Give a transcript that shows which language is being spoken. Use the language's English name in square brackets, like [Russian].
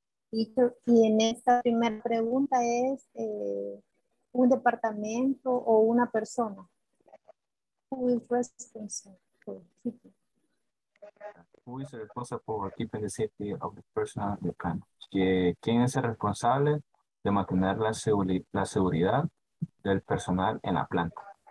[Spanish] Y en esta primera pregunta es un departamento o una persona. [English] Who is responsible for keeping? Who is responsible for keeping the safety of the personnel in the plant? [Spanish] ¿Quién es el responsable de mantener la seguridad del personal en la planta?